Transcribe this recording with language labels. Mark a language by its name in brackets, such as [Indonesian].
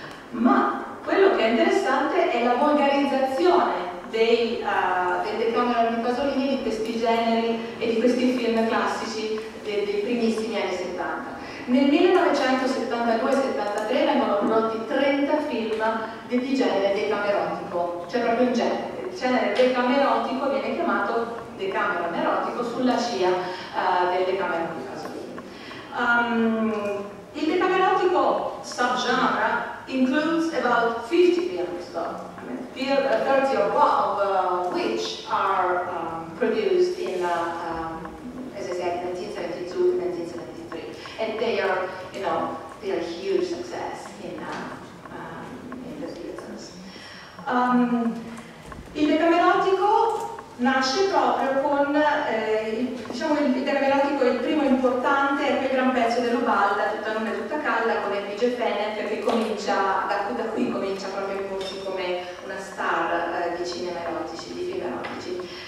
[Italian] Ma quello che è interessante è la volgarizzazione del Decameron di Pasolini, di questi generi e di questi film classici dei primissimi anni 70. Nel 1972-73 vengono prodotti 30 film di genere decamerotico, cioè proprio il genere decamerotico viene chiamato Decameron erotico sulla scia del Decameron di Pasolini. [English] Il decamerotico subgenre includes about 50 films, though, 30 or more of which are produced in, as I said, 1972 and 1973. And they are, you know, they are a huge success in the theaters. [Italian] Il decamerotico nasce proprio con, il decamerotico è il primo importante, è quel gran pezzo dell'Ubalda, tutta non è tutta calda, con Edvige Fenech, che comincia, da qui comincia proprio a imporsi come una star di cinema erotici, di film erotici.